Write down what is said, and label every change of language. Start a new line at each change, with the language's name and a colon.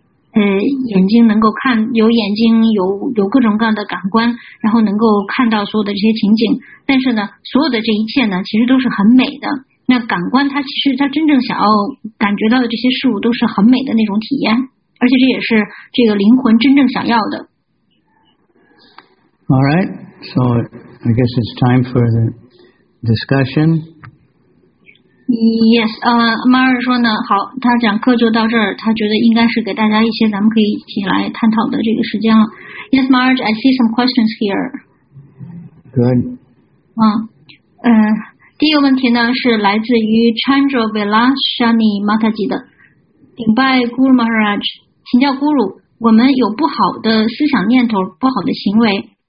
Chinese: 眼睛能够看，有眼睛，有各种各样的感官，然后能够看到所有的这些情景。但是呢，所有的这一切呢，其实都是很美的。那感官它其实它真正想要感觉到的这些事物都是很美的那种体验，而且这也是这个灵魂真正想要的。
English: All right, so I guess it's time for the discussion.
Chinese: Yes, Mara 说呢，好，他讲课就到这儿，他觉得应该是给大家一些咱们可以一起来探讨的这个时间了。
English: Yes, Mara, I see some questions here. Good.
Chinese: 第一个问题呢是来自于 Chandra Vilashani Mataji 的，顶拜 Guru Maharaj， 请教 Guru， 我们有不好的思想念头、不好的行为，